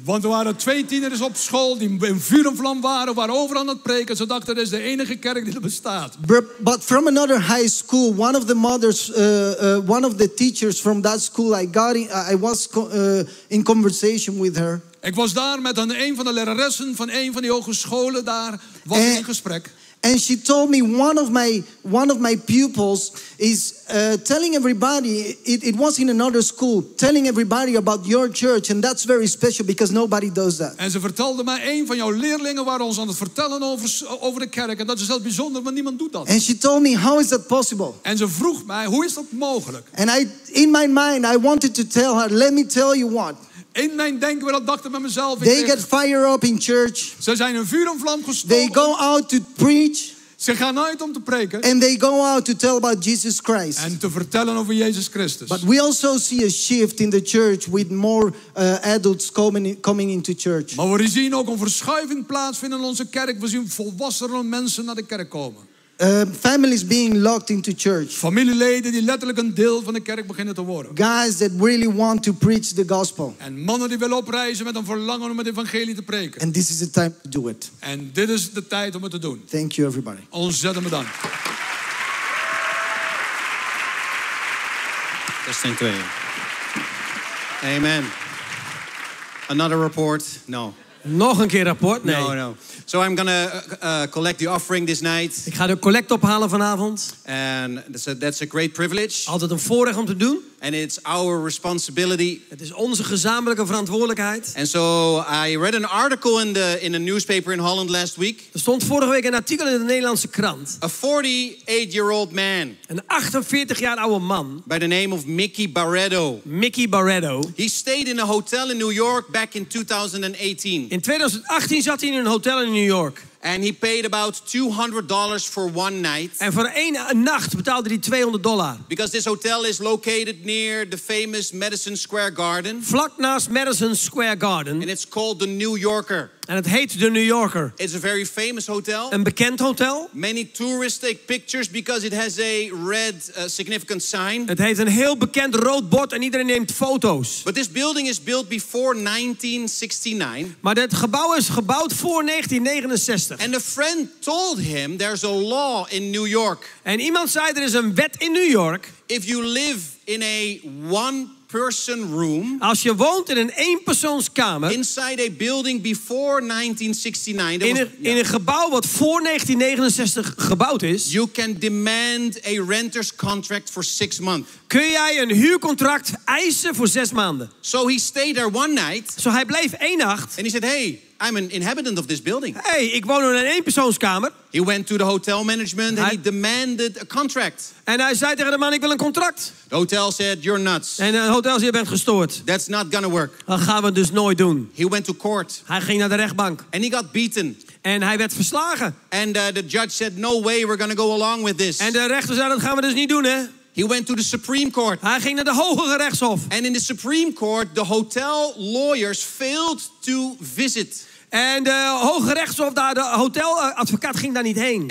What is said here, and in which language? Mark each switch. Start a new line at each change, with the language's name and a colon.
Dutch: Want er waren twee tieners op school die in vuur en vlam waren, waren overal aan het preken. Ze dachten dat is de enige kerk die er bestaat.
English: But from another high school, one of the mothers, one of the teachers from that school, I was in conversation with her.
Dutch: Ik was daar met een van de leraressen van een van die hogescholen daar was in gesprek.
English: And she told me one of my pupils is telling everybody, it was in another school, telling everybody about your church, and that's very special because nobody does that.
Dutch: En ze vertelde mij, een van jouw leerlingen waren ons aan het vertellen over de kerk, en dat is heel bijzonder, want niemand doet dat.
English: And she told me, how is that possible?
Dutch: En ze vroeg mij, hoe is dat mogelijk?
English: And I, in my mind, I wanted to tell her, let me tell you what.
Dutch: In mijn denken, dat dacht ik bij mezelf.
English: They get fire up in church.
Dutch: Ze zijn in vuur en vlam gestoken.
English: They go out to preach.
Dutch: Ze gaan uit om te preken.
English: And they go out to tell about Jesus Christ.
Dutch: En te vertellen over Jezus Christus.
English: But we also see a shift in the church with more adults coming into church.
Dutch: Maar we zien ook een verschuiving plaatsvinden in onze kerk. We zien volwassere mensen naar de kerk komen.
English: Families being locked into church.
Dutch: Familieleden die letterlijk een deel van de kerk beginnen te worden.
English: Guys that really want to preach the gospel.
Dutch: En mannen die willen opreizen met een verlangen om het evangelie te preken.
English: And this is the time to do it.
Dutch: En dit is de tijd om het te doen.
English: Thank you everybody.
Dutch: Ontzettend bedankt. Dat zijn twee. Amen.
English: Another report. No.
Dutch: Nog een keer rapport? Nee.
English: No. So I'm gonna collect the offering this night.
Dutch: Ik ga de collect ophalen vanavond.
English: And that's a great privilege.
Dutch: Altijd een voorrecht om te doen.
English: And it's our responsibility.
Dutch: Het is onze gezamenlijke verantwoordelijkheid.
English: And so I read an article in a newspaper in Holland last week.
Dutch: Er stond vorige week een artikel in de Nederlandse krant.
English: A 48-year-old man.
Dutch: Een 48-jaar oude man.
English: By the name of Mickey Barreto.
Dutch: Mickey Barreto.
English: He stayed in a hotel in New York back in 2018.
Dutch: In 2018 zat hij in een hotel in New York.
English: And he paid about $200 for one night.
Dutch: En voor één nacht betaalde hij $200.
English: Because this hotel is located near the famous Madison Square Garden.
Dutch: Vlak naast Madison Square Garden.
English: And it's called the New Yorker.
Dutch: En het heet de New Yorker.
English: It's a very famous hotel.
Dutch: Een bekend hotel.
English: Many tourists take pictures because it has a red significant sign.
Dutch: Het heeft een heel bekend rood bord en iedereen neemt foto's.
English: But this building is built before 1969.
Dutch: Maar dit gebouw is gebouwd voor 1969.
English: And a friend told him there's a law in New York.
Dutch: En iemand zei er is een wet in New York.
English: If you live in a one person room.
Dutch: Als je woont in een eenpersoonskamer.
English: Inside a building before 1969.
Dutch: In een gebouw wat voor 1969 gebouwd is.
English: You can demand a renter's contract for 6 months.
Dutch: Kun jij een huurcontract eisen voor 6 maanden?
English: So he stayed there one night.
Dutch: Zo hij bleef één nacht.
English: And he said, hey, I'm an inhabitant of this building.
Dutch: Hey, ik woon in een eenpersoonskamer.
English: He went to the hotel management and he demanded a contract.
Dutch: En hij zei tegen de man, ik wil een contract.
English: The hotel said, you're nuts.
Dutch: En het hotel zei, je bent gestoord.
English: That's not gonna work.
Dutch: Dat gaan we dus nooit doen.
English: He went to court.
Dutch: Hij ging naar de rechtbank.
English: And he got beaten.
Dutch: En hij werd verslagen.
English: And the judge said, no way, we're gonna go along with this.
Dutch: En de rechter zei, dat gaan we dus niet doen, hè.
English: He went to the Supreme Court.
Dutch: Hij ging naar de hogere rechtshof.
English: And in the Supreme Court, the hotel lawyers failed to visit.
Dutch: En de hoge rechtshof, daar, de hoteladvocaat ging daar niet heen.